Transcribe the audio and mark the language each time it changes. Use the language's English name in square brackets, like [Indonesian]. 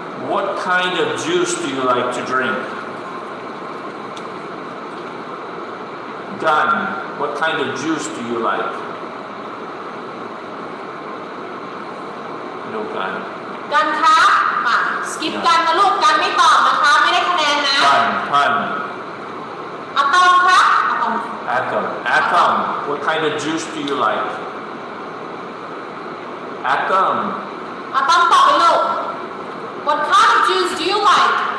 [English] What kind of juice do you like to drink? Gun. What kind of juice do you like? No gun. [Thai] กันครับมาสกิปกันนะลูกกันไม่ตอบนะคะไม่ได้คะแนนนะ พัน อะตอมครับอะตอม [English] อะตอม what kind of juice do you like อะตอม อะตอม [Thai] ตอบไปลูก [English] what kind of juice do you like